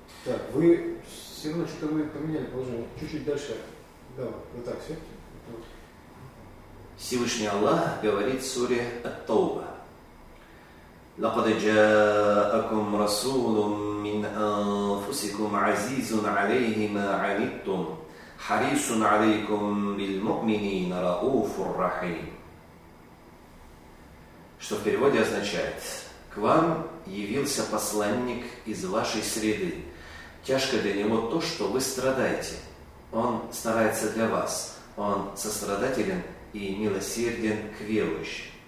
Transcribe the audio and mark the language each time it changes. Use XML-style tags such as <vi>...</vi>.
<ru>Так, вы все равно что-то вы поменяли положение. Чуть-чуть дальше. Да, вот так, все. Всевышний Аллах говорит в суре «Ат-Тауба».</ru> <ar>لقد جاءكم رسول من أنفسكم عزيز عليه ما عنتم حريص عليكم بالمؤمنين رؤوف رحيم.</ar> <ru>Что в переводе означает? К вам явился посланник из вашей среды. Тяжко для него то, что вы страдаете. Он старается для вас. Он сострадателен и милосерден к верующим.</ru>